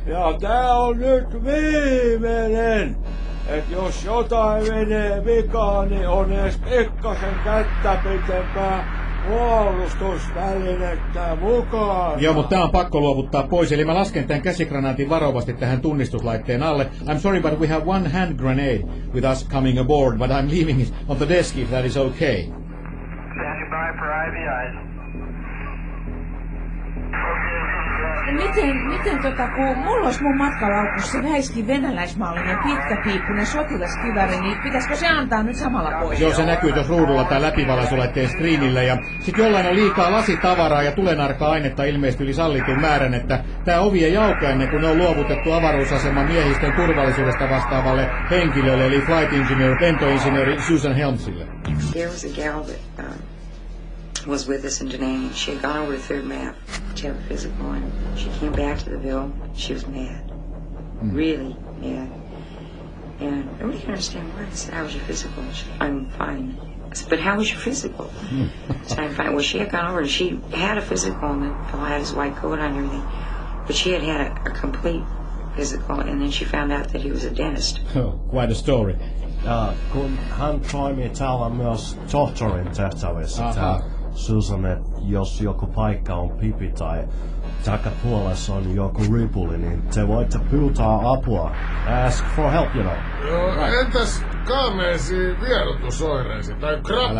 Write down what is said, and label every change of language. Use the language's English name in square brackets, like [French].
[Finnish] Ja tää on nyt viimeinen. Et jos jotain menee vikaan, niin on ees pikkasen kättä pitempää puolustusvälinettä mukaan. Joo, mutta tää on pakko luovuttaa pois. Eli mä lasken tän käsikranaatin varovasti tähän tunnistuslaitteen alle. [English] I'm sorry, but we have one hand grenade with us coming aboard, but I'm leaving it on the desk if that is okay. Standing by for IVIs. [Finnish] Miten tota, kun mulla olisi mun matkalaukussa väiski venäläismallinen pitkäpiippunen sotilaskiväri, niin pitäisikö se antaa nyt samalla pois? Joo, se näkyy tuossa ruudulla tai läpivalaisulaitteen screenillä ja sit jollain on liikaa lasitavaraa ja tulenarka-ainetta ilmeisesti yli sallitun määrän, että tää ovi ei auka ennen kuin ne on luovutettu avaruusaseman miehistön turvallisuudesta vastaavalle henkilölle, eli flight engineer, lentoinsinööri Susan Helmsille. [English] There was a gal that was with us in Denain. She had gone over the third map to have a physical and she came back to the ville. She was mad. Really mad. And nobody can understand why. I said, how was your physical? She said, I'm fine. I said, but how was your physical? So I'm fine. Well, she had gone over and she had a physical and then fellow had his white coat on and everything. But she had had a complete physical and then she found out that he was a dentist. Oh, quite a story. [Finnish] Kun hän toimii täällä myös tohtorin tehtävissä, Susan, että jos joku paikka on pipi tai takapuolessa on joku ripuli, niin te voitte pyytää apua. [English] Ask for help, you know. [Finnish] Joo, [English] right. [Finnish] Entäs kaameesi vierotusoireisi tai krapula?